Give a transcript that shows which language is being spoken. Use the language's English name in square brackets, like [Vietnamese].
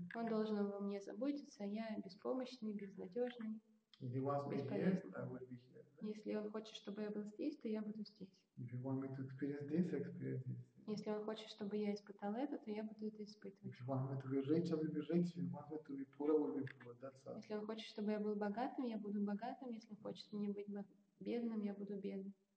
[Russian] Он должен обо мне заботиться, а я беспомощный, безнадежный. [English] If he wants me here, I will be here. [Russian] Если он хочет, чтобы я был здесь, то я буду здесь. [English] If you want me to experience this, experience this. [Russian] Если он хочет, чтобы я испытал это, то я буду это испытывать. [English] If you want me to be rich, I will be rich. If you want me to be poor, I will be poor. That's all. [Russian] Если он хочет, чтобы я был богатым, я буду богатым. Если он хочет мне быть бедным, я буду бедным.